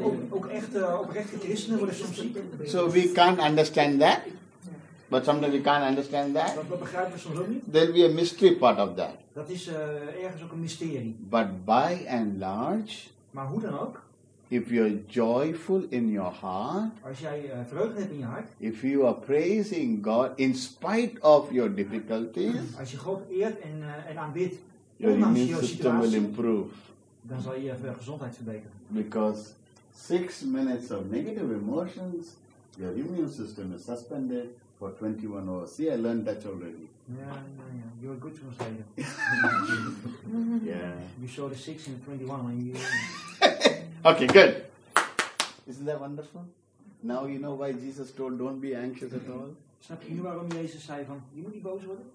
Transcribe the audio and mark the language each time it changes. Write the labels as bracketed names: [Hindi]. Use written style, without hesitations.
[Dutch] Ook echte christenen worden soms ziek. [English] So we can't understand that. But sometimes we can't understand that. [Dutch] Dat begrijpen we soms ook niet. [English] There'll be a mystery part of that. [Dutch] Dat is ergens ook een mysterie. [English] But by and large. [Dutch] Maar hoe dan ook. [English] If you're joyful in your heart. [Dutch] Als jij vreugde hebt in je hart. [English] If you are praising God in spite of your difficulties. [Dutch] Als je God eert en aanbidt. [English] Your immune system will improve. [Dutch] Dan zal je je gezondheid verbeteren. [English] Because 6 minutes of negative emotions. Your immune system is suspended. For 21 hours. See, I learned that already. Yeah. You're a good translator. Yeah. You saw the 6 and the 21 when you... Okay, good. Isn't that wonderful? Now you know why Jesus told, don't be anxious at all. [Dutch] Snap je nu waarom Jezus zei van, je moet niet boos worden?